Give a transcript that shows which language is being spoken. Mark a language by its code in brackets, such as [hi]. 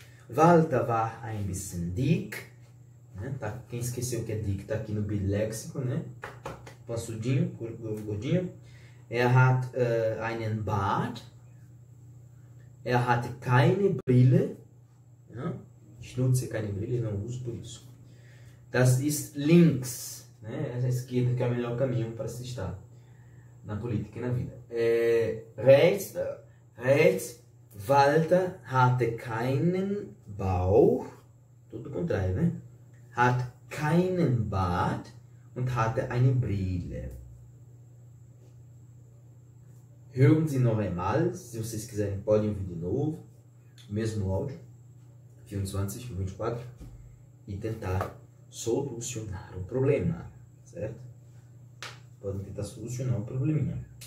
[de] Walter war ein bisschen dick. [pt] Né? Tá, quem esqueceu que é dick, tá aqui no biléxico, né? Pançudinho, gordinho. [de] Er hat einen Bart. Er hatte keine Brille. Né? Ich nutze keine Brille, [pt] não uso por isso. [de] Das ist links. Né? [pt] Essa esquerda que é o melhor caminho para se estar na política e na vida. [de] Rechts, Walter hatte keinen Bauch. [pt] Tudo contrário, né? [de] Hat keinen Bart und hatte eine Brille. Hören Sie noch einmal, [pt] se vocês quiserem, podem ouvir de novo, mesmo áudio, 24, 24, e tentar solucionar o problema, certo? Podem tentar solucionar o probleminha.